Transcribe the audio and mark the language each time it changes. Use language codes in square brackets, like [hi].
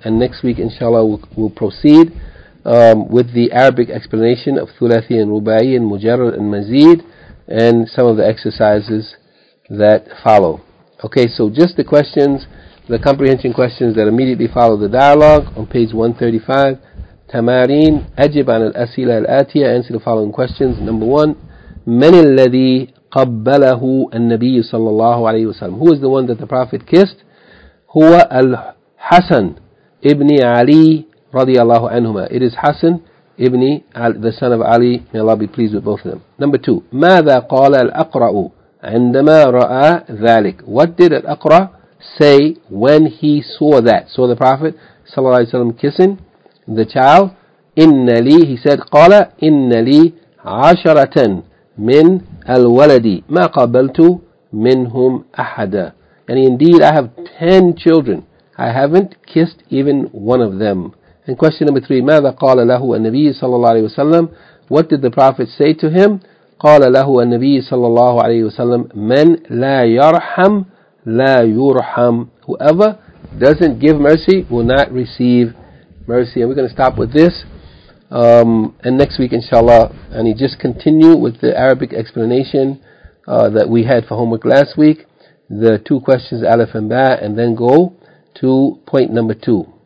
[en] And next week, inshallah, we'll proceed with the Arabic explanation of Thulathi and Rubai and Mujarrad and Mazid, and some of the exercises that follow. Okay, so just the questions, the comprehension questions that immediately follow the dialogue on page 135. [ar] Tamarin, Ajib an al-Asila al-Atiya, [en] answer the following questions. Number one, [ar] Man al-Ladhi قبله النبي صلى الله عليه وسلم. [en] Who is the one that the Prophet kissed? [ar] هو الحسن ابن علي رضي الله عنهما. [en] It is Hassan ibn Ali, the son of Ali. May Allah be pleased with both of them. Number two. [ar] ماذا قال الأقرع عندما رأى ذلك? [en] What did الأقرع say when he saw that? Saw the Prophet [ar] صلى الله عليه وسلم [en] kissing the child. [ar] إن لي, [en] he said, [ar] قال إن لي عشرة من الولدي ما قبلت منهم أحدا. [en] And indeed, I have 10 children. I haven't kissed even one of them. And question number three. [ar] ماذا قال له النبي صلى الله عليه وسلم? [en] What did the Prophet say to him? [ar] قال له النبي صلى الله عليه وسلم من لا يرحم لا يرحم. [en] Whoever doesn't give mercy will not receive mercy. And we're going to stop with this. And next week, inshallah, and you just continue with the Arabic explanation that we had for homework last week. The two questions, Aleph and Ba, and then go to point number two.